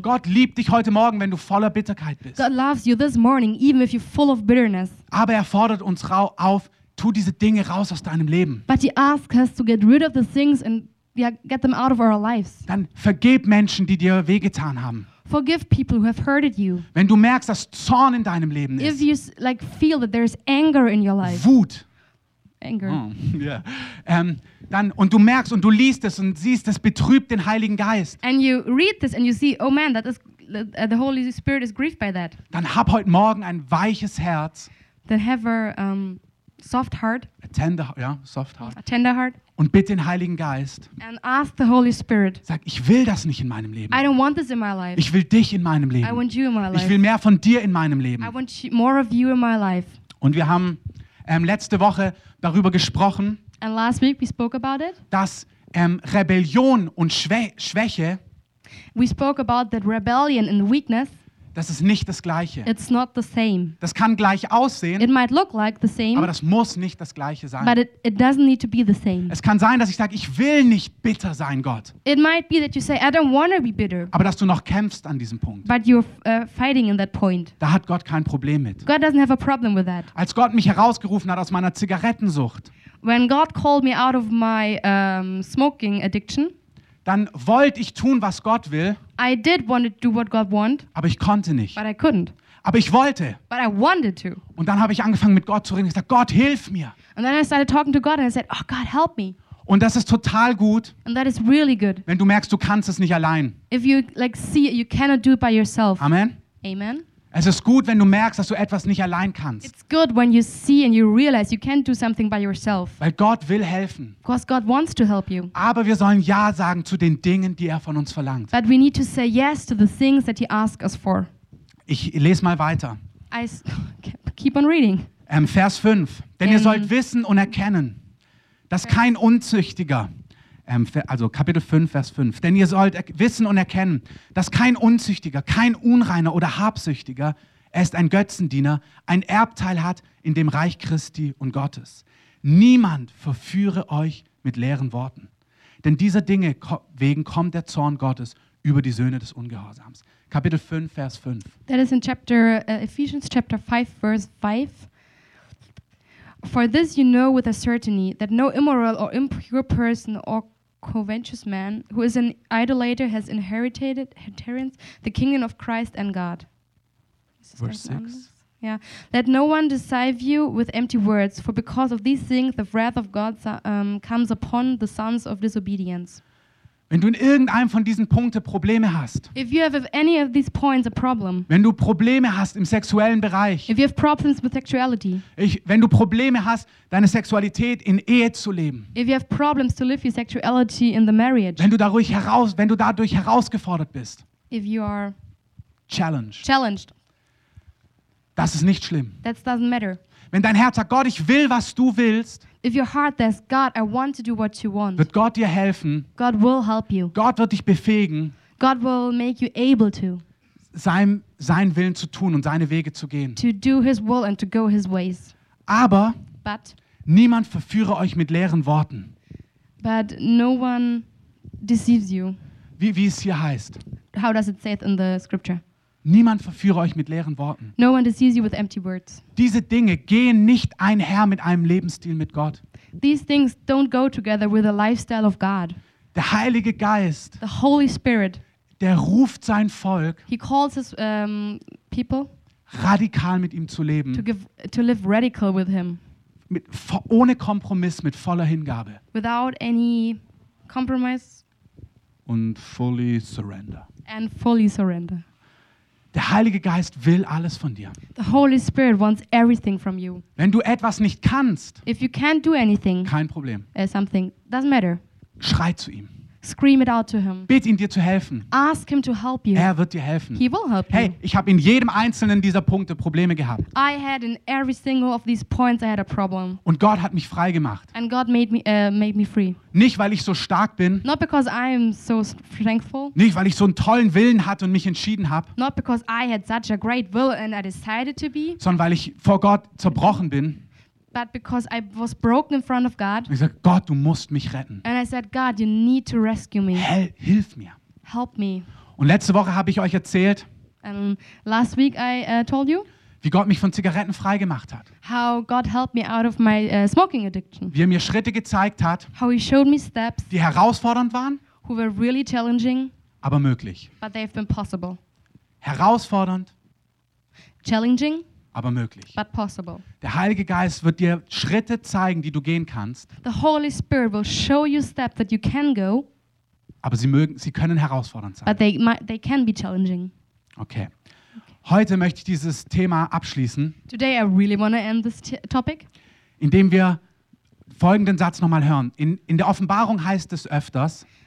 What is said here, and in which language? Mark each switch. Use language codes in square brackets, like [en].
[de] Gott liebt dich heute Morgen, wenn du voller Bitterkeit bist. [en] God loves you this morning, even if you're full of bitterness. [de] Aber er fordert uns auf, tu diese Dinge raus aus deinem Leben. [en] But he asks us to get rid of the things and get them out of our lives. [de] Dann vergib Menschen, die dir wehgetan haben. [en] Forgive people who have hurted you. [de] Wenn du merkst, dass Zorn in deinem Leben ist. [en] If you like feel that there's anger in your life. [de] Wut. [en] Anger. Oh, yeah. [de] Dann, und du merkst und du liest es und siehst, das betrübt den Heiligen Geist. [en] And you read this and you see, oh man, that is, the Holy Spirit is grieved by that. [de] Dann hab heute Morgen ein weiches Herz. [en] Then have a soft heart. A tender, yeah, soft heart. A tender heart. [de] Und bitte den Heiligen Geist. [en] And ask the Holy Spirit. [de] Sag, ich will das nicht in meinem Leben. [en] I don't want this in my life. [de] Ich will dich in meinem Leben. [en] I want you in my life. [de] Ich will mehr von dir in meinem Leben. [en] I want more of you in my life. [de] Und wir haben letzte Woche darüber gesprochen. [en] And last week we spoke about it. [de] Dass Rebellion und Schwäche. [en] We spoke about that rebellion and weakness. [de] Das ist nicht das Gleiche. [en] It's not the same. [de] Das kann gleich aussehen. [en] It might look like the same. [de] Aber das muss nicht das Gleiche sein. [en] But it doesn't need to be the same. [de] Es kann sein, dass ich sage, ich will nicht bitter sein, Gott. [en] It might be that you say, I don't want to be bitter. [de] Aber dass du noch kämpfst an diesem Punkt. [en] But you're fighting in that point. [de] Da hat Gott kein Problem mit. [en] God doesn't have a problem with that. [de] Als Gott mich herausgerufen hat aus meiner Zigarettensucht. [en] When God called me out of my smoking addiction. [de] Dann wollte ich tun, was Gott will. [en] I did want to do what God wanted. [de] Aber ich konnte nicht. [en] But I couldn't. [de] Aber ich wollte. [en] But I wanted to. [de] Und dann habe ich angefangen, mit Gott zu reden. Ich sagte, Gott, hilf mir. [en] And then I started talking to God and I said, oh God, help me. [de] Und das ist total gut. [en] And that is really good. [de] Wenn du merkst, du kannst es nicht allein. [en] If you like see it, you cannot do it by yourself. [de] Amen. [en] Amen. [de] Es ist gut, wenn du merkst, dass du etwas nicht allein kannst. [en] It's good when you see and you realize you can't do something by yourself. [de] Weil Gott will helfen. [en] Because God wants to help you. [de] Aber wir sollen ja sagen zu den Dingen, die er von uns verlangt. [en] But we need to say yes to the things that he asks us for. [de] Ich lese mal weiter. [en] I keep on reading. [de] Vers 5. Denn ihr sollt wissen und erkennen, dass kein Unzüchtiger, also Kapitel 5, Vers 5. Denn ihr sollt wissen und erkennen, dass kein Unzüchtiger, kein Unreiner oder Habsüchtiger, er ist ein Götzendiener, ein Erbteil hat in dem Reich Christi und Gottes. Niemand verführe euch mit leeren Worten. Denn dieser Dinge wegen kommt der Zorn Gottes über die Söhne des Ungehorsams. Kapitel 5, Vers 5. [en] That is in chapter, Ephesians chapter 5, verse 5. For this you know with a certainty, that no immoral or impure person or covetous man, who is an idolater, has inherited the kingdom of Christ and God. Verse 6. Yeah. Let no one deceive you with empty words, for because of these things the wrath of God comes upon the sons of disobedience. [de] Wenn du in irgendeinem von diesen Punkten Probleme hast. [en] If you have any of these points a problem. [de] Wenn du Probleme hast im sexuellen Bereich. [en] If you have problems with sexuality. [de] Wenn du Probleme hast, deine Sexualität in Ehe zu leben. [en] If you have problems to live your sexuality in the marriage. [de] Wenn du dadurch herausgefordert bist. [en] If you are [de] challenged. Das ist nicht schlimm. [en] That doesn't matter. [de] Wenn dein Herz sagt, Gott, ich will, was du willst. [en] If your heart says, God, I want to do what you want. [de] Wird Gott dir helfen. [en] God will help you. [de] Gott wird dich befähigen. [en] God will make you able to. [de] Sein Willen zu tun und seine Wege zu gehen. [en] To do his will and to go his ways. [de] Aber. [en] But. [de] Niemand verführe euch mit leeren Worten. [en] But no one deceives you. [de] Wie es hier heißt. [en] How does it say it in the scripture? [de] Niemand verführe euch mit leeren Worten. [en] No one deceives you with empty words. [de] Diese Dinge gehen nicht einher mit einem Lebensstil mit Gott. [en] These things don't go together with a lifestyle of God. [de] Der Heilige Geist, [en] the Holy Spirit, [de] der ruft sein Volk, [en] he calls his people, [de] radikal mit ihm zu leben. [en] To live radical with him. [de] Ohne Kompromiss, mit voller Hingabe. [en] Without any compromise. Und fully surrender. And fully surrender. [de] Der Heilige Geist will alles von dir. [en] The Holy Spirit wants everything from you. [de] Wenn du etwas nicht kannst, [en] if you can't do anything, [de] kein Problem. [en] Something doesn't matter. [de] Schrei zu ihm. [en] Scream it out to him. [de] Bitt ihn, dir zu helfen. [en] Ask him to help you. [de] Er wird dir helfen. [en] He will help you. [de] Hey, ich habe in jedem einzelnen dieser Punkte Probleme gehabt. [en] I had in every single of these points I had a problem. [de] Und Gott hat mich frei gemacht. [en] And God made me free. [de] Nicht weil ich so stark bin. [en] Not because I am so strengthful. [de] Nicht weil ich so einen tollen Willen hatte und mich entschieden habe. [en] Not because I had such a great will and I decided to be. [de] Sondern weil ich vor Gott zerbrochen bin. [en] But because I was broken in front of God. [de] Ich sagte, Gott, du musst mich retten. [en] And I said, God, you need to rescue me. [de] Hilf mir. [en] Help me. [de] Und letzte Woche habe ich euch erzählt. [en] And last week I told you. [de] Wie Gott mich von Zigaretten freigemacht hat. [en] How God helped me out of my smoking addiction. [de] Wie er mir Schritte gezeigt hat. [en] How he showed me steps. [de] Die herausfordernd waren. [en] Who were really challenging. [de] Aber möglich. [en] But they've been possible. [de] Herausfordernd. [en] Challenging. [de] Aber möglich. [en] But possible. [de] Der Heilige Geist wird dir Schritte zeigen, die du gehen kannst. [en] The Holy Spirit will show you steps that you can go. [de] Aber sie können herausfordernd sein. [en] But they can be challenging. [de] Okay. Heute möchte ich dieses Thema abschließen. [en] Today I really want to end this topic. [de] Indem wir folgenden Satz nochmal hören. In der Offenbarung heißt es öfters.